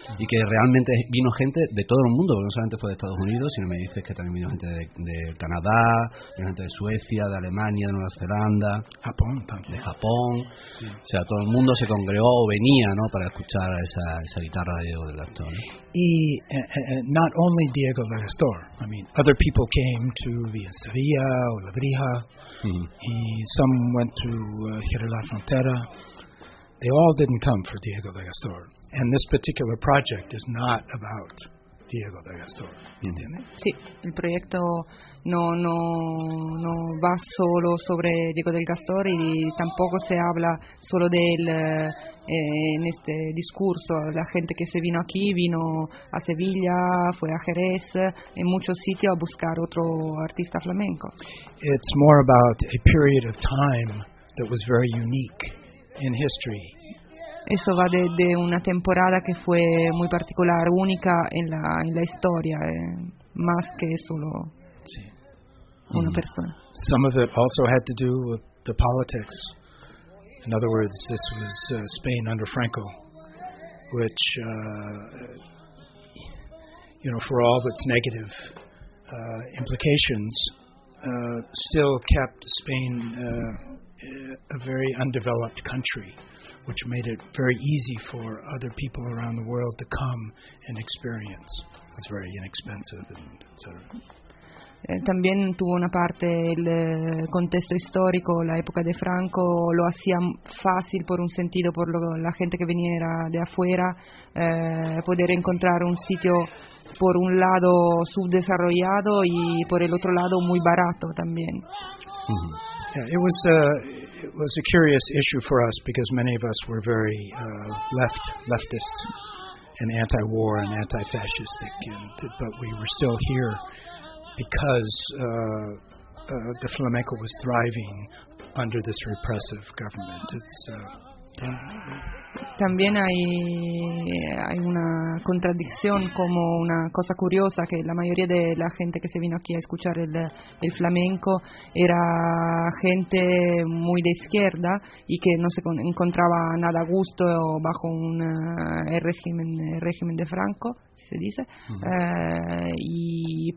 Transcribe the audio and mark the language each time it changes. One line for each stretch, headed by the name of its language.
Spanish: Y que realmente vino gente de todo el mundo, porque no solamente fue de Estados Unidos, sino me dices que también vino gente de Canadá, vino gente de Suecia, de Alemania, de Nueva Zelanda, Japón también. De Japón. Sí. O sea, todo el mundo se congregó o venía, ¿no?, para escuchar esa guitarra. Diego de la Torre.
English: And not only Diego de la Torre. I mean, other people came to via Sevilla or Lebrija. And some went to Jerez la Frontera. They all didn't come for Diego de la Torre. And this particular project is not about Diego de la Torre.
Spanish: Sí, el proyecto no va solo sobre Diego del Castor, y tampoco se habla solo de él en este discurso. La gente que se vino aquí vino a Sevilla, fue a Jerez, en muchos sitios a buscar otro artista flamenco.
English: It's more about a period of time that was very unique in history.
Spanish: Eso va de una temporada que fue muy particular, única en la historia, más que solo sí. Una persona.
English: Some of it also had to do with the politics. In other words, this was Spain under Franco, which, you know, for all its negative implications, still kept Spain a very undeveloped country, which made it very easy for other people around the world to come and experience. It's very inexpensive, and etc.
Spanish: También tuvo una parte
Italian: il contesto storico,
Spanish: la epoca de Franco lo hacía fácil por un sentido por lo, la gente que veniera de afuera poder encontrar un sitio por un lado subdesarrollado y por el otro lado muy barato también. Mm-hmm.
English: Yeah, it was a curious issue for us because many of us were very leftist and anti-war and anti-fascistic, and, but we were still here because the flamenco was thriving under this repressive government. It's,
Spanish: También hay una contradicción como una cosa curiosa que la mayoría de la gente que se vino aquí a escuchar el flamenco era gente muy de izquierda y que no se encontraba nada a gusto bajo un régimen de Franco, si se dice, uh-huh.